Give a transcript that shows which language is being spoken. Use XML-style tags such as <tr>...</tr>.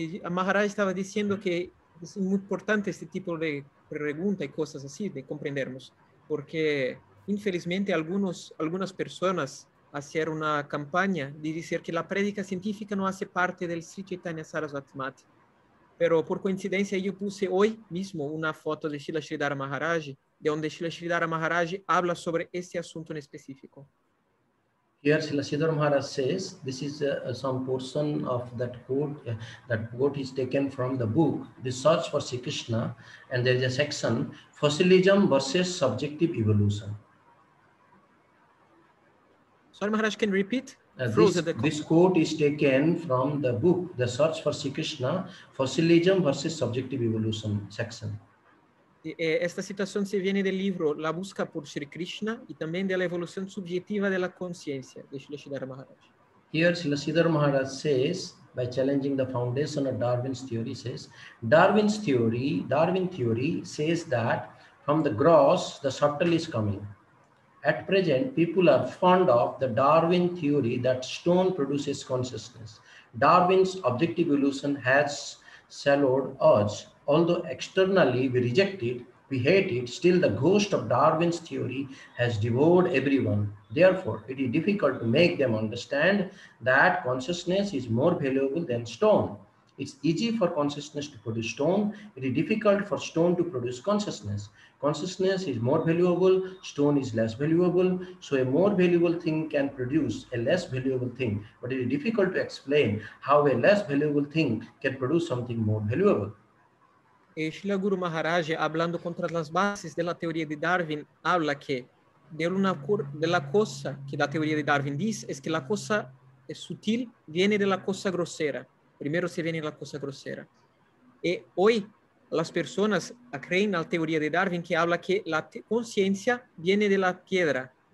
<es>Maharaj estaba diciendo que es muy importante este tipo de pregunta y cosas así de comprendernos, porque infelizmente algunas personas hacían una campaña de decir que la prédica científica no hace parte del Sri Chaitanya Saraswati Mata. Pero por coincidencia yo puse hoy mismo una foto de Srila Sridhara Maharaj, de donde Srila Sridhara Maharaj habla sobre este asunto en específico.</es> <en>Here Srila Sridhara Maharaj says, this is some portion of that quote is taken from the book, The Search for Sri Krishna, and there is a section, Fossilism versus Subjective Evolution. Sorry, Maharaj, can you repeat? This quote is taken from the book, The Search for Sri Krishna, Fossilism versus Subjective Evolution section.</en> <es>Esta citación se viene del libro La Busca por Sri Krishna y también de la evolución subjetiva de la conciencia de Srila Sridhara Maharaj.</es> <en>Here Srila Sridhara Maharaj says, by challenging the foundation of Darwin's theory, says, Darwin theory says that from the gross, the subtle is coming. At present, people are fond of the Darwin theory that stone produces consciousness. Darwin's objective evolution has swallowed us. Although externally we reject it, we hate it, still the ghost of Darwin's theory has devoured everyone. Therefore, it is difficult to make them understand that consciousness is more valuable than stone. It's easy for consciousness to produce stone. It is difficult for stone to produce consciousness. Consciousness is more valuable. Stone is less valuable. So a more valuable thing can produce a less valuable thing. But it is difficult to explain how a less valuable thing can produce something more valuable.</en> <es>Srila Guru Maharaj, hablando contra las bases de la teoría de Darwin, habla que de la cosa que la teoría de Darwin dice es que la cosa es sutil viene de la cosa grosera. Primero se viene la cosa grosera. Y hoy las personas creen a la teoría de Darwin que habla que la conciencia viene de la piedra.</es>